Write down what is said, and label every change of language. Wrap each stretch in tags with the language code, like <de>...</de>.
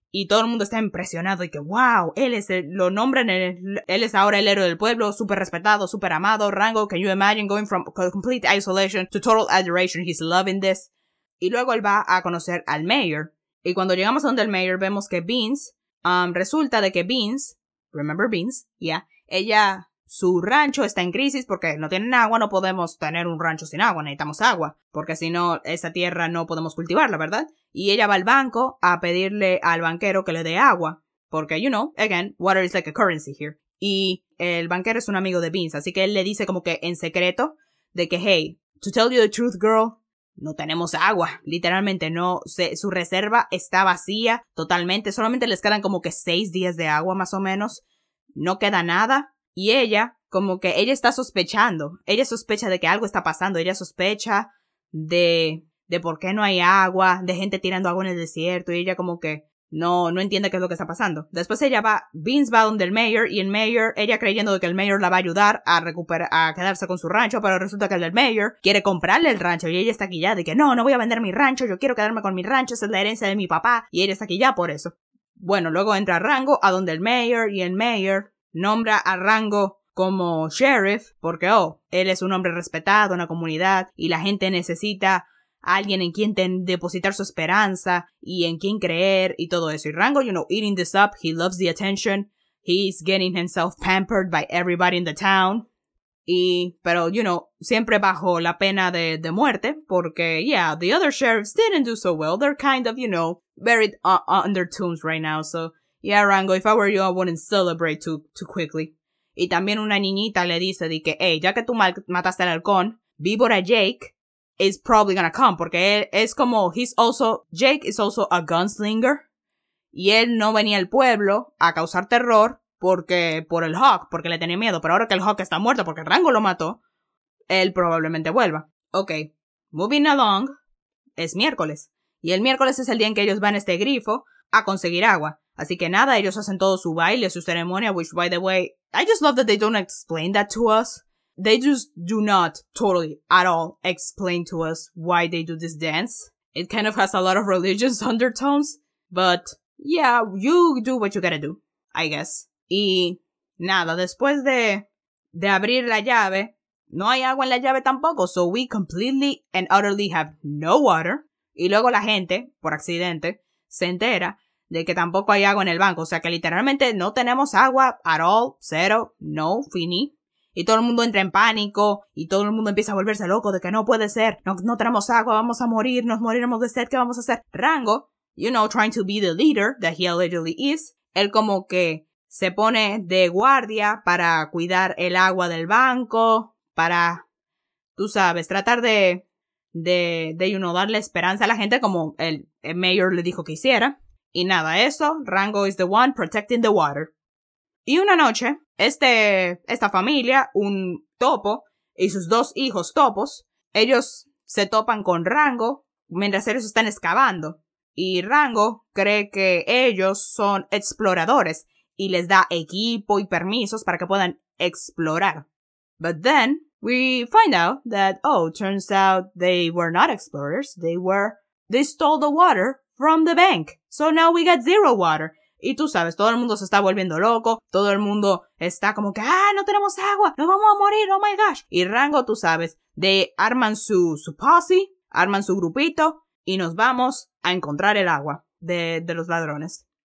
<es>Y todo el mundo está impresionado y que, wow, él es ahora el héroe del pueblo, súper respetado, súper amado, Rango.</es> <en>Can you imagine going from complete isolation to total adoration? He's loving this.</en> <es>Y luego él va a conocer al mayor. Y cuando llegamos a donde el mayor, vemos que Beans, resulta de que Beans,</es> <en>remember Beans, yeah,</en> <es>ella, su rancho está en crisis porque no tienen agua, no podemos tener un rancho sin agua, necesitamos agua. Porque si no, esa tierra no podemos cultivarla, ¿verdad? Y ella va al banco a pedirle al banquero que le dé agua. Porque,</es> <en>you know, again, water is like a currency here.</en> <es>Y el banquero es un amigo de Beans, así que él le dice como que en secreto de que,</es> <en>hey, to tell you the truth, girl,</en> <es>no tenemos agua. Literalmente no, su reserva está vacía totalmente. Solamente les quedan como que 6 días de agua, más o menos. No queda nada. Y ella, como que ella está sospechando. Ella sospecha de que algo está pasando. Ella sospecha de por qué no hay agua, de gente tirando agua en el desierto, y ella como que no entiende qué es lo que está pasando. Después ella va, Beans va donde el mayor, y el mayor, ella creyendo que el mayor la va a ayudar a recuperar, a quedarse con su rancho, pero resulta que el del mayor quiere comprarle el rancho, y ella está aquí ya, de que no voy a vender mi rancho, yo quiero quedarme con mi rancho, esa es la herencia de mi papá, y ella está aquí ya por eso. Bueno, luego entra Rango a donde el mayor, y el mayor nombra a Rango como sheriff porque, oh, él es un hombre respetado en la comunidad y la gente necesita alguien en quien depositar su esperanza y en quien creer y todo eso.</es> <en>Y Rango, you know, eating this up, he loves the attention, he's getting himself pampered by everybody in the town.</en> <es>Y, pero,</es> <en>you know,</en> <es>siempre bajo la pena de muerte, porque,</es> <en>yeah, the other sheriffs didn't do so well. They're kind of, you know, buried under tombs right now. So, yeah, Rango, if I were you, I wouldn't celebrate too quickly.</en> <es>Y también una niñita le dice de que, hey, ya que tú mataste al halcón, Víbora Jake</es> <en>is probably gonna come,</en> <es>porque él es como,</es> <en>Jake is also a gunslinger.</en> <es>Y él no venía al pueblo a causar terror. Porque por el Hawk, porque le tenía miedo. Pero ahora que el Hawk está muerto porque Rango lo mató, él probablemente vuelva.</es> <en>Ok, moving along,</en> <es>es miércoles. Y el miércoles es el día en que ellos van a este grifo a conseguir agua. Así que nada, ellos hacen todo su baile, su ceremonia,</es> <en>which, by the way, I just love that they don't explain that to us. They just do not totally at all explain to us why they do this dance. It kind of has a lot of religious undertones. But yeah, you do what you gotta do, I guess.</en> <es>Y nada, después de abrir la llave, no hay agua en la llave tampoco.</es> <en>So we completely and utterly have no water.</en> <es>Y luego la gente, por accidente, se entera de que tampoco hay agua en el banco. O sea que literalmente no tenemos agua</es> <en>at all,</en> <es>cero, no, fini. Y todo el mundo entra en pánico y todo el mundo empieza a volverse loco de que no puede ser. No tenemos agua, vamos a morir, nos moriremos de sed, ¿qué vamos a hacer? Rango,</es> <en>you know, trying to be the leader that he allegedly is,</en> <es>él como que se pone de guardia para cuidar el agua del banco, para, tú sabes, tratar de</es> <en>you know,</en> <es>darle esperanza a la gente como el mayor le dijo que hiciera. Y nada, eso,</es> <en>Rango is the one protecting the water.</en> <es>Y una noche, esta familia, un topo y sus dos hijos topos, ellos se topan con Rango mientras ellos están excavando. Y Rango cree que ellos son exploradores. Y les da equipo y permisos para que puedan explorar.</es> <en>But then, we find out that, oh, turns out they were not explorers. They stole the water from the bank. So now we got zero water.</en> <es>Y tú sabes, todo el mundo se está volviendo loco. Todo el mundo está como que, ah, no tenemos agua. Nos vamos a morir,</es> <en>oh my gosh.</en> <es>Y Rango, tú sabes,</es> <en>they</en> <es>arman su posse, arman su grupito. Y nos vamos a encontrar el agua de los ladrones.</es>